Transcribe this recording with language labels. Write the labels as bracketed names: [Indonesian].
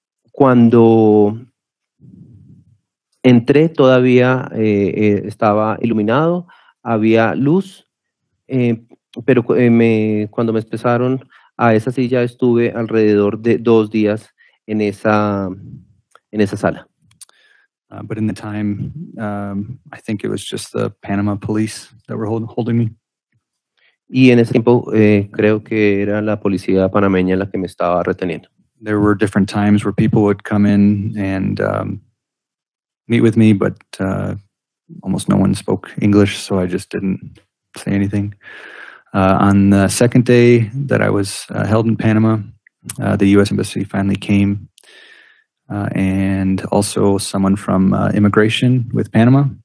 [Spanish] Cuando entré todavía estaba iluminado, había luz, pero cuando me empezaron a esa silla estuve alrededor de 2 días en esa sala. [English] But in the time, I think it was just the Panama police that were holding me. [Spanish] Y en ese tiempo, creo que era la policía panameña la que me estaba reteniendo. [English] There were different times where people would come in and meet with me, but almost no one spoke English, so I just didn't say anything. On the second day that I was held in Panama, the U.S. Embassy finally came. And also someone from immigration with Panama.